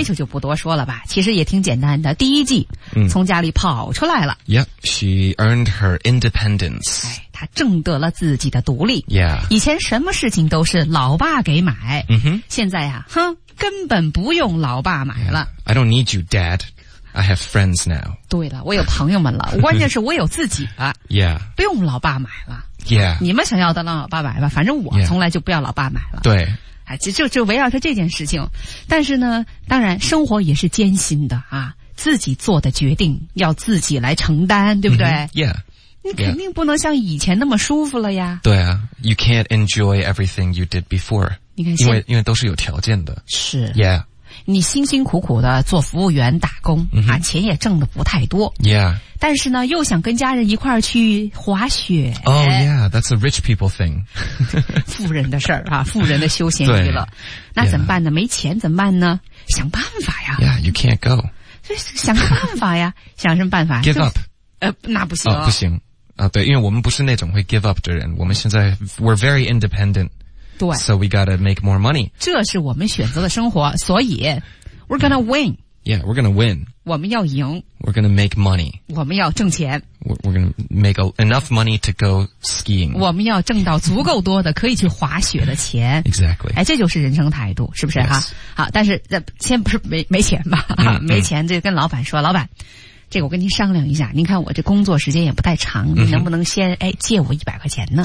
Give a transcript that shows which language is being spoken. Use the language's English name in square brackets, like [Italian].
[Chinese] Rachel 就不多说了吧其实也挺简单的第一季、mm-hmm. 从家里跑出来了 [English] Yeah, she earned her independence、 [Chinese] 哎他挣得了自己的独立、 [English] yeah. [Chinese] 以前什么事情都是老爸给买、 mm-hmm. 现在啊哼根本不用老爸买了、 [English] yeah. I don't need you dad I have friends now [Chinese] 对了我有朋友们了关键是我有自己了、 [English] yeah. [Chinese] 不用老爸买了、 [English] yeah. [Chinese] 你们想要的让老爸买吧反正我从来就不要老爸买了对、 [English] yeah. [Chinese] 就围绕着这件事情但是呢当然生活也是艰辛的啊，自己做的决定要自己来承担对不对、 [English] mm-hmm. yeah [Chinese] Yeah. 你肯定不能像以前那么舒服了呀。对啊 [English] ,you can't enjoy everything you did before. [Chinese] 你看因为都是有条件的。是。 [English] Yeah. [Chinese] 你辛辛苦苦的做服务员打工、 mm-hmm. 啊钱也挣得不太多。 [English] Yeah. [Chinese] 但是呢又想跟家人一块儿去滑雪。 [English] Oh yeah, that's a rich people thing. [Chinese] 富人的事儿啊富人的休闲娱乐。那怎么办呢、 [English] yeah. [Chinese] 没钱怎么办呢想办法呀。 [English] Yeah, you can't go. [Chinese] 想个办法呀想什么办法 [English] ?Give up. [Chinese] 那不行。 Oh, 不行。啊、对因为我们不是那种会 [English] give up [Chinese] 的人我们现在 [English] we're very independent [Chinese] 对 [English] so we gotta make more money [Chinese] 这是我们选择的生活所以 [English] we're gonna win yeah we're gonna win [Chinese] 我们要赢 [English] we're gonna make money [Chinese] 我们要挣钱 [English] we're gonna make enough money to go skiing [Chinese] 我们要挣到足够多的可以去滑雪的钱 [English] exactly [Chinese] 哎，这就是人生态度是不是、 [English] yes. [Chinese] 啊、好但是先不是 没钱吧、mm-hmm. 没钱就跟老板说老板这个我跟您商量一下您看我这工作时间也不太长您能不能先、嗯、哎借我100块钱呢